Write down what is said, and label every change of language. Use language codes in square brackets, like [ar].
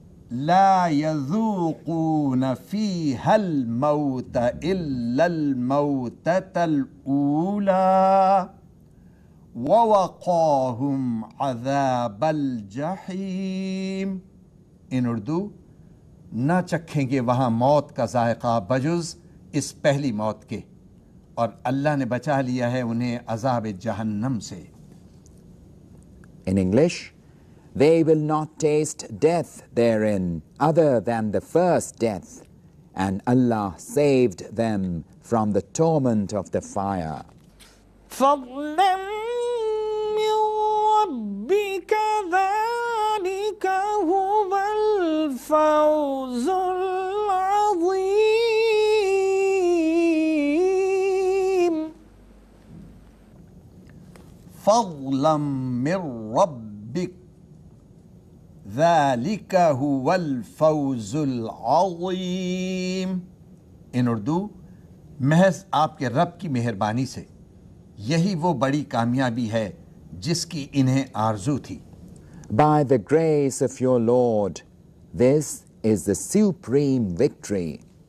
[ar] لا يذوقون فيها الموت إلا الموتة الأولى ووقاهم عذاب الجحيم. [en] In Urdu, [ur] نہ چکھیں گے وہاں موت کا ذائقہ بجز اس پہلی موت کے, اور اللہ نے بچا لیا ہے انہیں عذاب جہنم سے. [en] In English, they will not taste death therein other than the first death, and Allah saved them from the torment of the fire. [ar] فَضْلًا مِّن رَبِّكَ ذَلِكَ هُوَ الْفَوْزُ الْعَظِيمُ. ذَلِكَ هُوَ الْفَوْزُ الْعَظِيمُ. [en] In Urdu, [ur] محض آپ کے رب کی مہربانی سے یہی وہ بڑی کامیابی ہے جس کی انہیں آرزو تھی. [en] By the grace of your Lord, this is the supreme victory.